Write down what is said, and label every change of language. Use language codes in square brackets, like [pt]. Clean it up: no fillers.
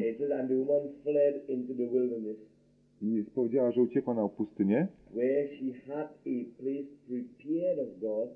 [en] it says, and the woman fled into the wilderness, [pl] i powiedziała, że uciekła na pustynię, [en] where she had a place prepared of God,